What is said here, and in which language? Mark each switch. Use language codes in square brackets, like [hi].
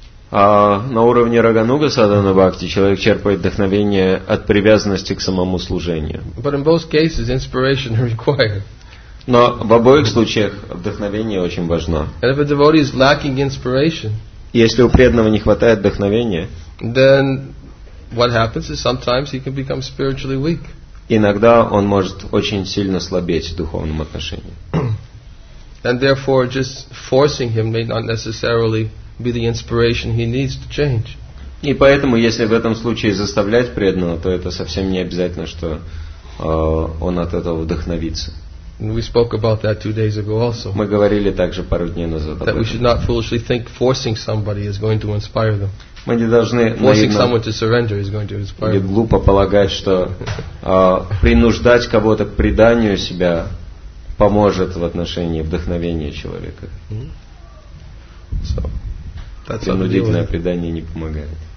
[ru] А на уровне Рагануга Садхана Бхакти человек черпает вдохновение от привязанности к самому служению. [en] But in both cases, inspiration required. [ru] Но в обоих случаях вдохновение очень важно. [en] And if a devotee is lacking inspiration, [ru] если у преданного не хватает вдохновения, [en] then what happens is sometimes he can become spiritually weak. [ru] Иногда он может очень сильно слабеть в духовном отношении. [en] And therefore, just forcing him may not necessarily be the inspiration he needs to change. [ru] И поэтому, если в этом случае заставлять преданного, то это совсем не обязательно, что он от этого вдохновится. [en] We spoke about that 2 days ago also. [ru] Мы говорили также пару дней назад. [en] That we should not foolishly think forcing somebody is going to inspire them. [ru] Мы не должны [en] forcing someone to surrender is going to inspire them. [ru] Глупо полагать, что принуждать кого-то к преданию себя поможет в отношении вдохновения человека. [en] So. [ru] Принудительное предание не помогает.